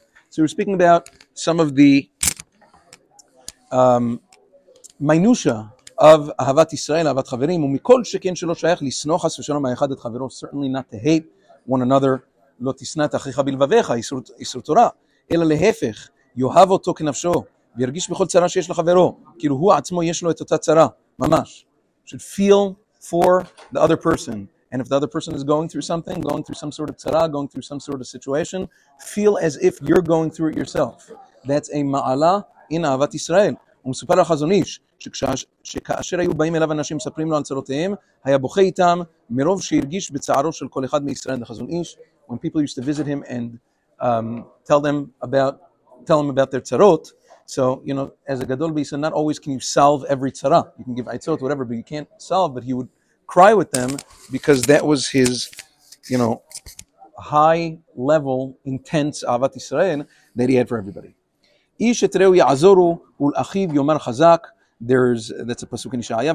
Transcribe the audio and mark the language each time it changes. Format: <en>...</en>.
<he>So we're speaking about some of the minutia of אהבת ישראל, אהבת חברים, ומכל שכן שלא שייך לסנוע חס ושלום האחד את חברו,</he> <en>certainly not to hate one another,</en> <he>לא תסנה את אחיך בלבביך, איסור תורה, אלא להפך, יאהב אותו כנפשו, וירגיש בכל צרה שיש לחברו, כאילו הוא עצמו יש לו את אותה צרה, ממש.</he> <en>Should feel for the other person, and if the other person is going through something, going through some sort of צרה, going through some sort of situation, feel as if you're going through it yourself. That's a מעלה in אהבת ישראל.</en> <he>הוא מספר לחזון איש, שכאשר היו באים אליו אנשים מספרים לו על צרותיהם, היה בוכה איתם, מרוב שירגיש בצערו של כל אחד מישראל לחזון איש,</he> <en>when people used to visit him and tell him about their tzarot. So, you know, as a gadol b'Yisrael, not always can you solve every tzara. You can give aitzot, whatever, but you can't solve. But he would cry with them because that was his, you know, high level, intense ahavat Yisrael that he had for everybody.</en> <he>Ish et reu ya'azoru ul achiv yomar chazak.</he> <en>That's a pasuk in Yeshaya.</en>